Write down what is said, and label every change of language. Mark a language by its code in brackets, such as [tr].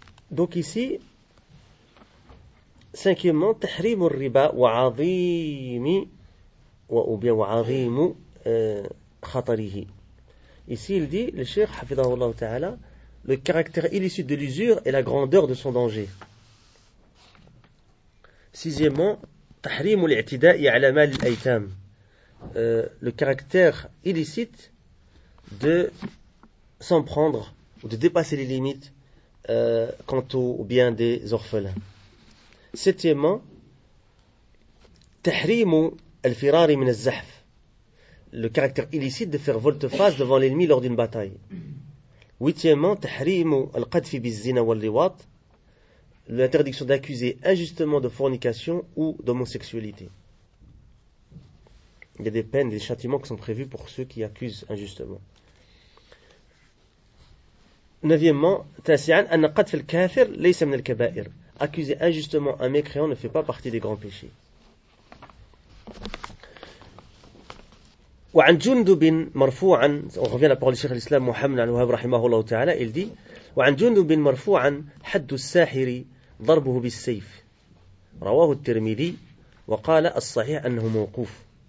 [fr] Donc ici, cinquièmement, [ar] تحريم الربا وعظيم [fr] ou bien [ar] وعظيم خطره. [fr] Ici, il dit, le cheikh, hafidahullah ta'ala, le caractère illicite de l'usure et la grandeur de son danger. Sixièmement, [ar] تحريم الاعتداء على مال الأيتام. [fr] Le caractère illicite de s'en prendre ou de dépasser les limites quant au bien des orphelins. [ar] Septièmement, tahrimu al-firari min al-zahf. [fr] Le caractère illicite de faire volte-face devant l'ennemi lors d'une bataille. Huitièmement, [ar] tahrimu al-qadfi bil-zina wal-liwat. [fr] L'interdiction d'accuser injustement de fornication ou d'homosexualité. Il y a des peines, des châtiments qui sont prévus pour ceux qui accusent injustement. Neuvièmement, [ar] تاسعًا أن قتل الكافر ليس من الكبائر. [fr] Accuser injustement un mécréant ne fait pas partie des grands péchés. [ar] وعن جندب مرفوعا, [fr] on revient à la parole du Cheikh l'Islam Mohammed al-Wahhab رحمه [ar] الله تعالى, [fr] il dit, [ar] وعن جندب مرفوعا حد الساحر ضربه بالسيف. رواه الترمذي وقال الصحيح أنه موقوف.